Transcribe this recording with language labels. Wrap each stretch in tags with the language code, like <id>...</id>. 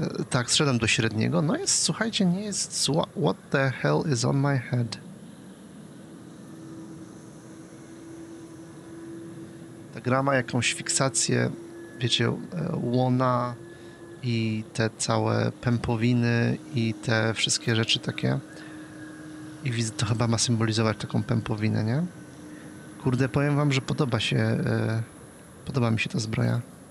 <pl>Tak, zszedłem do średniego. No jest, słuchajcie, nie jest zła.</pl> <en>What the hell is on my head?</en> <pl>Ta gra ma jakąś fiksację, wiecie, łona i te całe pępowiny i te wszystkie rzeczy takie. I widzę, to chyba ma symbolizować taką pępowinę, nie? Kurde, powiem wam, że podoba się, podoba mi się ta zbroja.</pl>